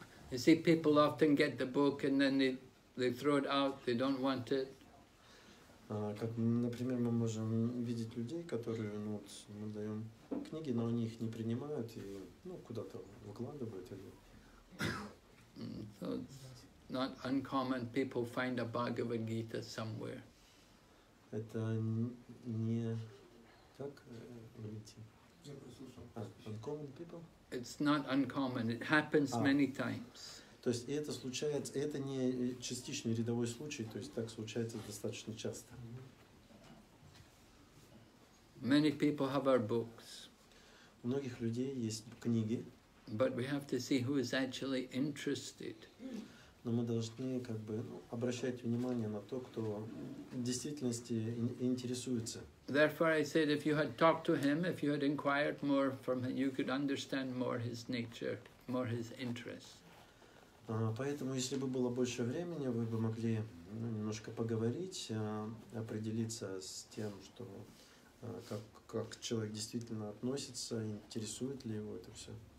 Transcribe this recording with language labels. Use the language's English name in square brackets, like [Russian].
[English] You see, people often get the book and then they throw it out, they don't want it. [Russian] Как, например, мы можем видеть людей, которые, ну, вот, мы даем книги, но они их не принимают и, ну, куда-то выкладывают или. [English] So it's not uncommon people find a Bhagavad Gita somewhere. [Russian] Это не как, видите? [English] Uncommon people? It's not uncommon. It happens many times. [Russian] То есть это случается, это не частичный рядовой случай, то есть так случается достаточно часто. [English] Many people have our books. [Russian] У многих людей есть книги. [English] But we have to see who is actually interested. [Russian] Но мы должны как бы, ну, обращать внимание на то, кто в действительности интересуется. [English] Therefore, I said, if you had talked to him, if you had inquired more from him, you could understand more his nature, more his interest. [Russian] Поэтому, если бы было больше времени, вы бы могли, ну, немножко поговорить, определиться с тем, что как человек действительно относится, интересует ли его это все.